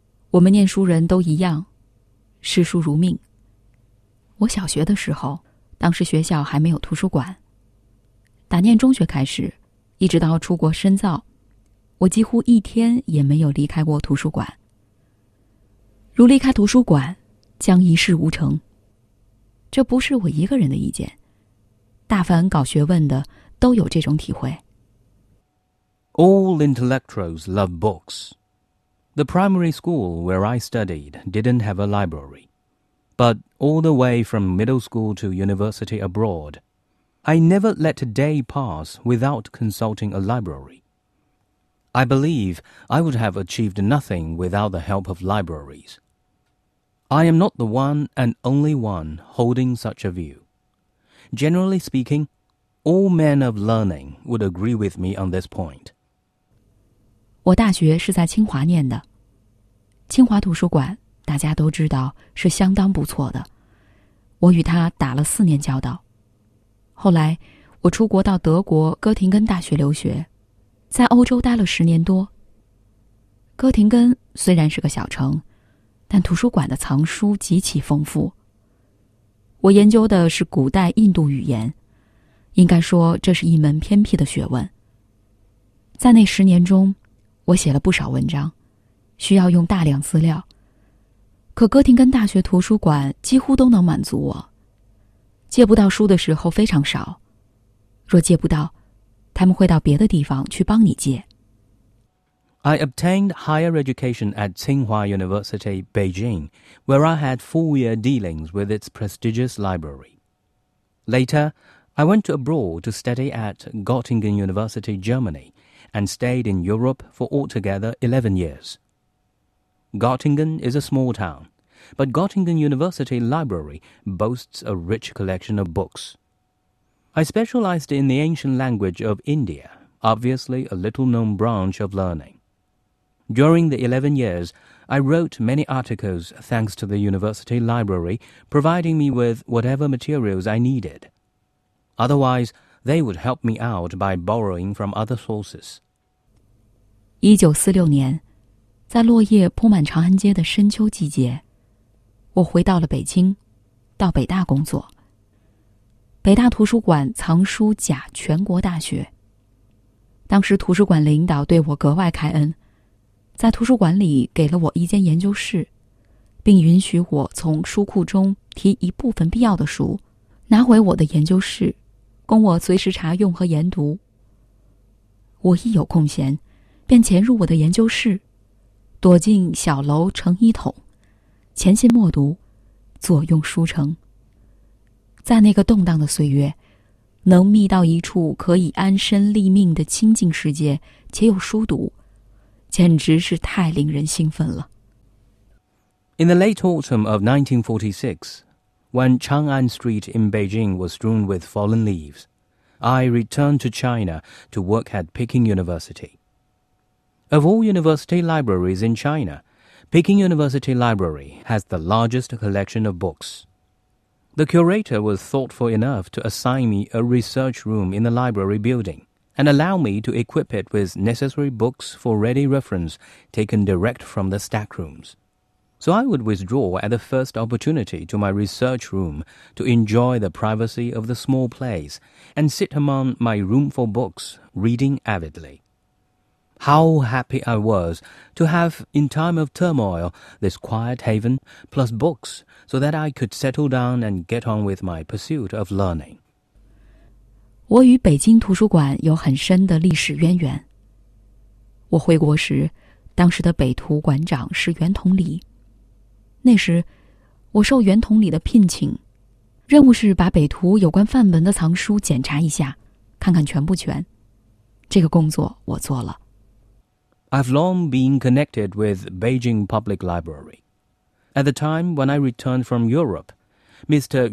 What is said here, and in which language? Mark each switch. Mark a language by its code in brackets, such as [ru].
[zh] 我们念书人都一样，视书如命。我小学的时候，当时学校还没有图书馆，打念中学开始，一直到出国深造，我几乎一天也没有离开过图书馆。如离开图书馆，将一事无成。这不是我一个人的意见，大凡搞学问的都有这种体会。 [en] All intellectuals love books. The primary school where I studied didn't have a library. But all the way from middle school to university abroad, I never let a day pass without consulting a library. I believe I would have achieved nothing without the help of libraries. I am not the one and only one holding such a view. Generally speaking, all men of learning would agree with me on this point. [zh] 我大学是在清华念的，清华图书馆大家都知道是相当不错的，我与他打了4年交道。后来我出国到德国哥廷根大学留学，在欧洲待了10年多。哥廷根虽然是个小城，但图书馆的藏书极其丰富。我研究的是古代印度语言，应该说这是一门偏僻的学问。在那10年中，我写了不少文章，需要用大量资料，可哥廷根大学图书馆几乎都能满足我。借不到书的时候非常少，若借不到，他们会到别的地方去帮你借。 [en] I obtained higher education at Tsinghua University, Beijing, where I had 4-year dealings with its prestigious library. Later, I went abroad to study at Göttingen University, Germany, and stayed in Europe for altogether 11 years. Göttingen is a small town, but Göttingen University Library boasts a rich collection of books. I specialized in the ancient language of India, obviously a little-known branch of learning. During the 11 years, I wrote many articles thanks to the university library providing me with whatever materials I needed. Otherwise, they would help me out by borrowing from other sources. [zh] 1946年，在落叶铺满长安街的深秋季节，我回到了北京，到北大工作。北大图书馆藏书甲全国大学。当时图书馆领导对我格外开恩，在图书馆里给了我一间研究室，并允许我从书库中提一部分必要的书，拿回我的研究室，供我随时查用和研读。我一有空闲，便潜入我的研究室，躲进小楼成一统，潜心默读，左用书城。在那个动荡的岁月，能觅到一处可以安身立命的清静世界，且有书读，简直是太令人兴奋了。 [en] In the late autumn of 1946, when Chang'an Street in Beijing was strewn with fallen leaves, I returned to China to work at Peking University. Of all university libraries in China, Peking University Library has the largest collection of books. The curator was thoughtful enough to assign me a research room in the library building and allow me to equip it with necessary books for ready reference taken direct from the stack rooms. So I would withdraw at the first opportunity to my research room to enjoy the privacy of the small place and sit among my roomful books, reading avidly. How happy I was to have, in time of turmoil, this quiet haven plus books so that I could settle down and get on with my pursuit of learning. [zh] 我与北京图书馆有很深的历史渊源。我回国时，当时的北图馆长是袁同礼。那时，我受袁同礼的聘请，任务是把北图有关范文的藏书检查一下，看看全不全。这个工作我做了。 [en] I've long been connected with Beijing Public Library. At the time when I returned from Europe, Mr.